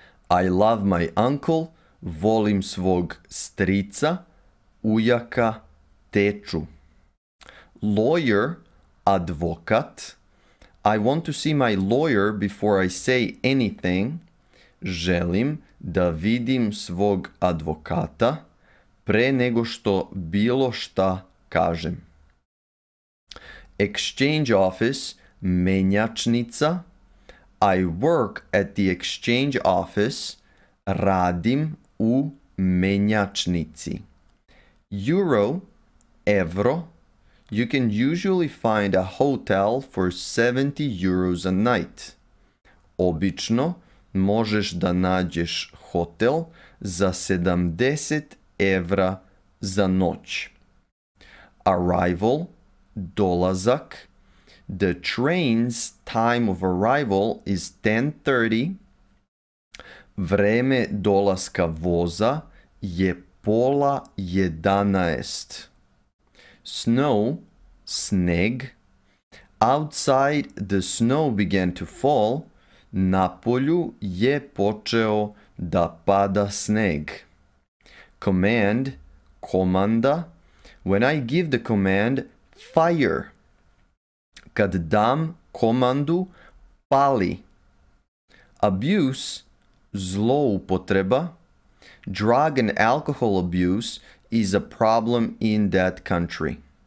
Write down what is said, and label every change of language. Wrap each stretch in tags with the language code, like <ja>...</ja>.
<en>I love my uncle,</en> <sr>volim svog strica, ujaka, teču.</sr> <en>Lawyer, advokat. I want to see my lawyer before I say anything.</en> <sr>Želim da vidim svog advokata pre nego što bilo šta kažem.</sr> <en>Exchange office, menjačnica. I work at the exchange office.</en> <sr>Radim u menjačnici.</sr> <en>Euro, evro. You can usually find a hotel for 70 euros a night.</en> <sr>Obično možeš da nađeš hotel za 70 evra za noć.</sr> <en>Arrival, dolazak. The train's time of arrival is 10:30.</en> <sr>Vreme dolaska voza je pola 11.</sr> <en>Snow, sneg. Outside the snow began to fall.</en> <sr>Napolju je počeo da pada sneg.</sr> <en>Command, komanda. When I give the command, fire.</en> <sr>Kad dam komandu, pali.</sr> <en>Abuse, zloupotreba. Drug and alcohol abuse is a problem in that country.</en>